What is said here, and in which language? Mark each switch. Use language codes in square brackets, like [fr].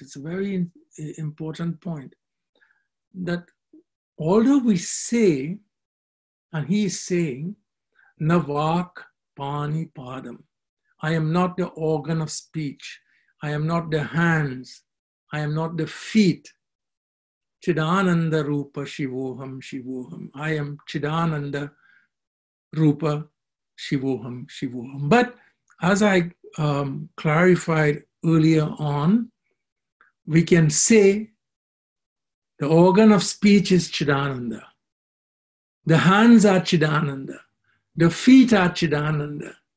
[en] It's a very important point that although we say, and he is saying, [sa] Navak Pani Padam, [en] I am not the organ of speech, I am not the hands, I am not the feet. [sa] Chidananda Rupa Shivoham Shivoham, [en] I am [sa] Chidananda Rupa Shivoham, Shivoham. [en] But as I clarified earlier on, we can say the organ of speech is Chidananda. The hands are Chidananda. The feet are Chidananda.